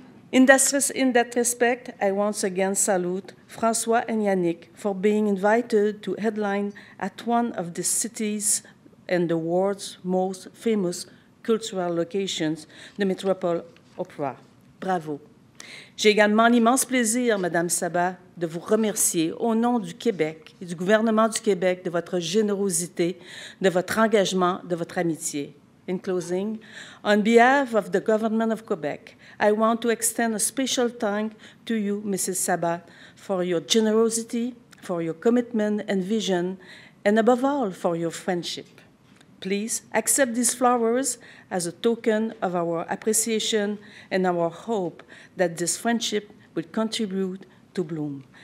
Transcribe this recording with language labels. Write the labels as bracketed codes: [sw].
[en] In that respect, I once again salute François and Yannick for being invited to headline at one of the city's and the world's most famous cultural locations, the Metropole Opera. Bravo. [fr] J'ai également l'immense plaisir, Madame Sabat, de vous remercier au nom du Québec et du gouvernement du Québec de votre générosité, de votre engagement, de votre amitié. [en] In closing, on behalf of the government of Quebec, I want to extend a special thank to you, Mrs. Sabat, for your generosity, for your commitment and vision, and above all, for your friendship. Please accept these flowers as a token of our appreciation and our hope that this friendship will contribute to bloom.